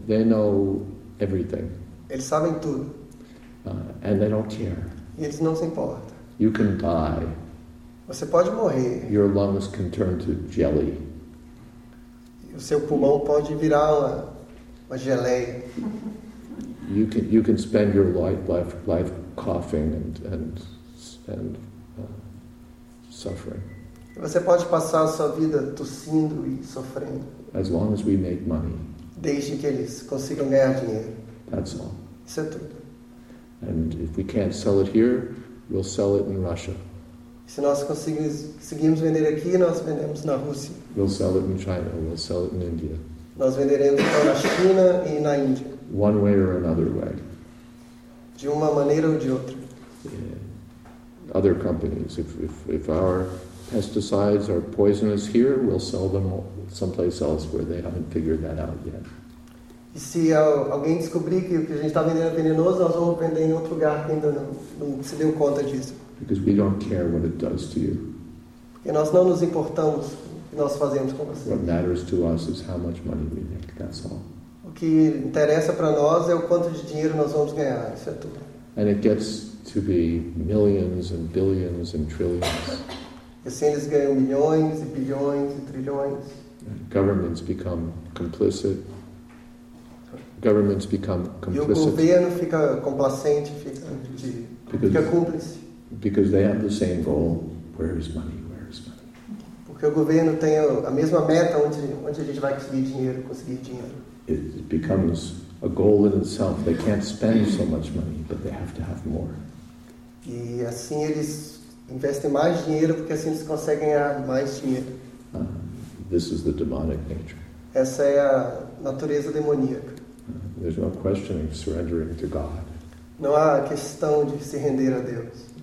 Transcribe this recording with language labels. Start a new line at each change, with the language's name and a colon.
English: They know everything.
Portuguese: Eles sabem tudo.
English: And they don't care.
Portuguese: E eles não se importam.
English: You can die.
Portuguese: Você pode morrer.
English: Your lungs can turn to jelly.
Portuguese: E o seu pulmão pode virar uma geleia.
English: You can spend your life coughing and suffering.
Portuguese: E você pode passar a sua vida tossindo e sofrendo.
English: As long as we make money.
Portuguese: Desde que eles consigam ganhar dinheiro.
English: That's all.
Portuguese: Isso é tudo.
English: And if we can't sell it here, we'll sell it in Russia.
Portuguese: Se nós conseguimos vender aqui, nós vendemos na Rússia.
English: We'll sell it in China, we'll sell it in India.
Portuguese: Nós venderemos na China e na Índia.
English: One way or another way.
Portuguese: De uma maneira ou de outra.
English: Yeah. Other companies, if our pesticides are poisonous here, we'll sell them someplace else where they haven't figured that out yet.
Portuguese: E se alguém descobrir que o que a gente está vendendo é venenoso, nós vamos vender em outro lugar que ainda não se deu conta disso.
English: Because we don't care what it does to you.
Portuguese: Porque nós não nos importamos o que nós fazemos com você.
English: What matters to us is how much money we make, that's all.
Portuguese: O que interessa para nós é o quanto de dinheiro nós vamos ganhar, isso é tudo.
English: And it gets to be millions and billions and trillions.
Portuguese: E assim eles ganham milhões e bilhões e trilhões.
English: Governments become complicit. Governments become complicit.
Portuguese: E o governo fica complacente, fica cúmplice.
English: Because they have the same goal. Where is money? Where is money?
Portuguese: Porque o governo tem a mesma meta, onde a gente vai conseguir dinheiro.
English: It becomes a goal in itself. They can't spend so much money, but they have to have more.
Portuguese: E assim eles investem mais dinheiro, porque assim eles conseguem ganhar mais dinheiro.
English: This is the demonic nature.
Portuguese: Essa é a natureza demoníaca.
English: There's no question of surrendering to God.
Portuguese: Não há questão de se render a Deus.